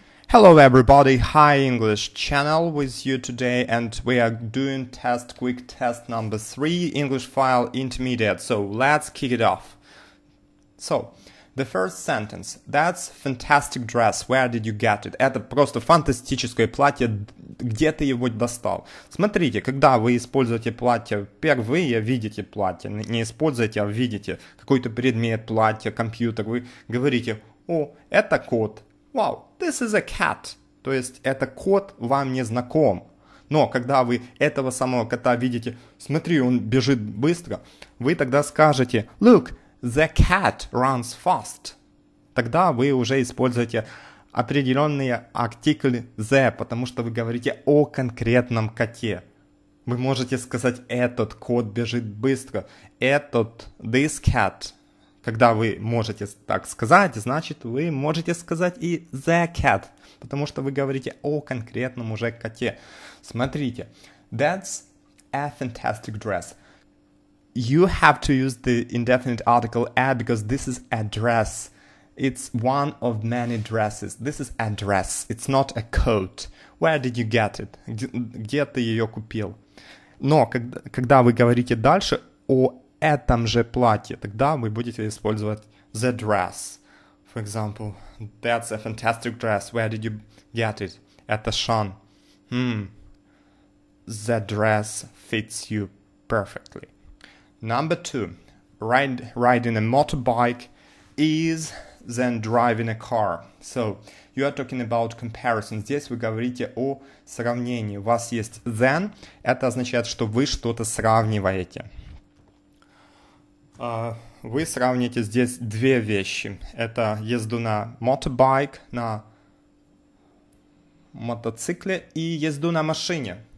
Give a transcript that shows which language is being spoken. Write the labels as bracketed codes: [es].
[en] Hello everybody, Hi English Channel with you today, and we are doing test, quick test number 3, English File Intermediate. So let's kick it off. So, the first sentence, that's fantastic dress, where did you get it? [ru] Это просто фантастическое платье, где ты его достал? Смотрите, когда вы используете платье впервые, видите платье, не используете, а видите какой-то предмет, платье, компьютер, вы говорите, о, это кот. [en] Wow, this is a cat. [ru] То есть, это кот вам не знаком. Но когда вы этого самого кота видите, смотри, он бежит быстро, вы тогда скажете, [en] look, the cat runs fast. [ru] Тогда вы уже используете определенные артикли the, потому что вы говорите о конкретном коте. Вы можете сказать, этот кот бежит быстро, этот, [en] this cat. [ru] Когда вы можете так сказать, значит, вы можете сказать и [en] the cat, [ru] потому что вы говорите о конкретном уже коте. Смотрите, [en] that's a fantastic dress. You have to use the indefinite article a, because this is a dress. It's one of many dresses. This is a dress, it's not a coat. Where did you get it? [ru] Где ты ее купил? Но когда вы говорите дальше о этом же платье, тогда вы будете использовать the dress. [en] For example, that's a fantastic dress. Where did you get it? At the Shawn. The dress fits you perfectly. Number two, riding a motorbike is then driving a car. So, you are talking about comparison. [ru] Здесь вы говорите о сравнении. У вас есть then. Это означает, что вы что-то сравниваете. Вы сравните здесь две вещи. Это езду на мотобайк, на мотоцикле и езду на машине.